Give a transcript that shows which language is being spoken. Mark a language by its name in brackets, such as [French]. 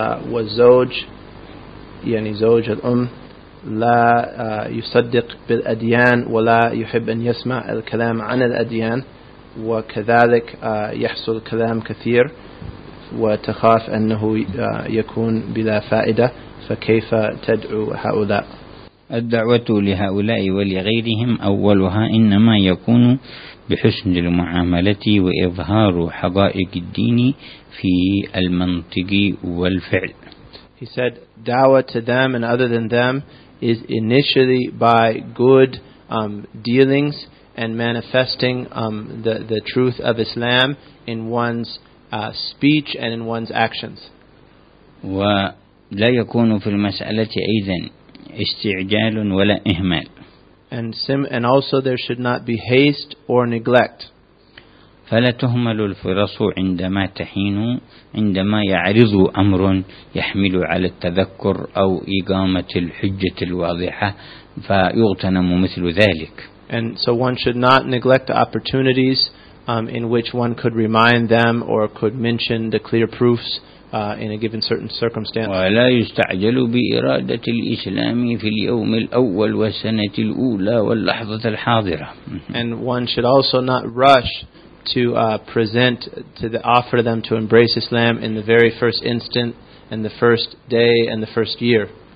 [Arabic] وزوج يعني زوج الأم لا يصدق بالأديان ولا يحب أن يسمع الكلام عن الأديان وكذلك يحصل كلام كثير وتخاف أنه يكون بلا فائدة فكيف تدعو هؤلاء؟ الدعوة لهؤلاء ولغيرهم أولها إنما يكون بحسن المعاملة وإظهار حقائق الدين في المنطق والفعل. [English] He said, "Dawa to them and other than them is initially by good dealings and manifesting the truth of Islam in one's speech and in one's actions." [Arabic] ولا يكون في المسألة أيضا استعجال ولا إهمال. [English] And also there should not be haste or neglect. [Arabic] فلا تهمل الفرص عندما تحين عندما يعرض أمر يحمل على التذكر أو إقامة الحجة الواضحة فيغتنم مثل ذلك. [English] And so one should not neglect the opportunities in which one could remind them or could mention the clear proofs in a given certain circumstance. [Arabic] ولا يستعجل بإرادة الإسلام في اليوم الأول والسنة الأولى واللحظة الحاضرة. [English] And one should also not rush to offer them to embrace Islam in the very first instant, in the first day, and the first year.